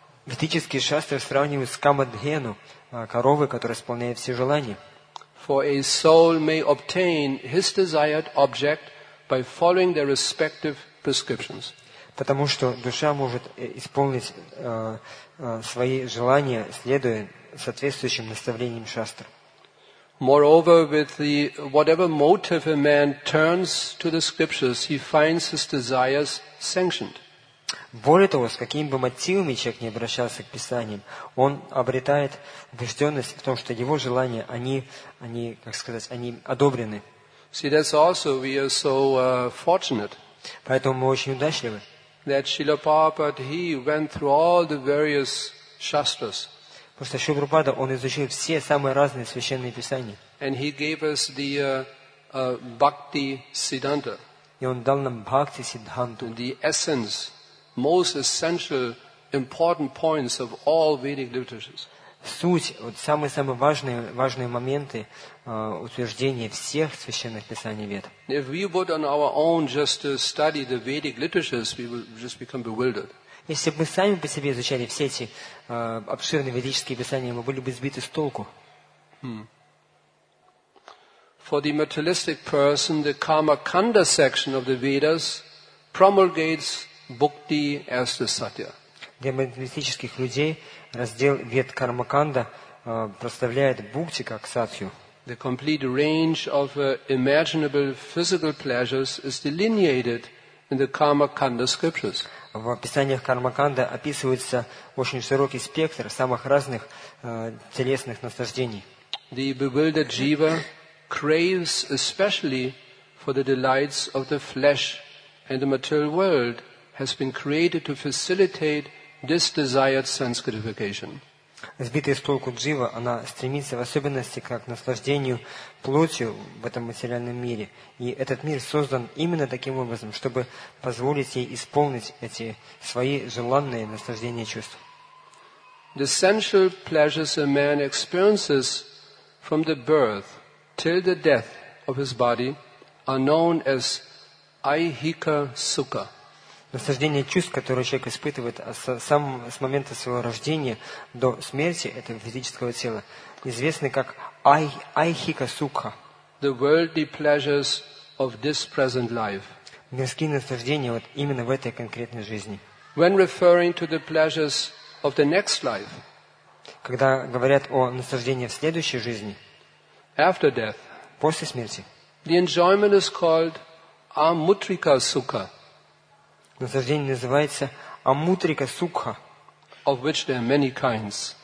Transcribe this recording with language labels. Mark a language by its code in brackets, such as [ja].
[ru] Ведические шастры сравнивают с кама дхену коровой, которая исполняет все желания. [en] For a soul may obtain his desired object by following their respective prescriptions. [ru] Потому что душа может исполнить свои желания, следуя соответствующим наставлениям шастр. [en] Moreover, with the whatever motive a man turns to the scriptures, he finds his desires sanctioned. [ru] Более того, с какими бы мотивами человек не обращался к Писаниям, он обретает убежденность в том, что его желания, они как сказать, они одобрены. [en] See, that's also, we are so fortunate. [ru] Поэтому мы очень удачливы. [en] That Srila Prabhupada, he went through all the various shastras. [ru] Потому что Шрила Прабхупада, он изучил все самые разные священные писания. [en] And he gave us the Bhakti Siddhanta. [ru] И он дал нам Бхакти Сиддханту. [en] The essence. Most essential, important points of all Vedic literatures. [ru] Суть, вот самые-самые важные моменты утверждения всех священных писаний Вед. [en] If we would on our own just study the Vedic literatures, we would just become bewildered. [ru] Если бы мы сами по себе изучали все эти обширные ведические писания, мы были бы сбиты с толку. [en] For the materialistic person, the Kama Kanda section of the Vedas promulgates Bhakti as the satya. [ru] Для материалистических людей раздел Вед Кармаканда представляет бхукти как сатью. [en] The complete range of imaginable physical pleasures is delineated in the Kamakanda scriptures. [ru] В описаниях Кармаканда описывается очень широкий спектр самых разных телесных наслаждений. [en] The bewildered jiva craves especially for the delights of the flesh and the material world. Has been created to facilitate this desired sense gratification. [ru] Сбитая с толку джива, она стремится в особенности как наслаждению плотью в этом материальном мире. И этот мир создан именно таким образом, чтобы позволить ей исполнить эти свои желанные наслаждения чувств. [en] The sensual pleasures a man experiences from the birth till the death of his body are known as aihika sukha. [ru] Наслаждение чувств, которое человек испытывает с момента своего рождения до смерти этого физического тела, известны как айхика сукха. [en] The worldly pleasures of this present life. [ru] Мирские наслаждения вот именно в этой конкретной жизни. [en] When referring to the pleasures of the next life. [ru] Когда говорят о наслаждении в следующей жизни. [en] After death. [ru] После смерти. [en] The enjoyment is called amutrika sukha. [ru] Наслаждение называется амутрика сукха, [en] of which there are many kinds.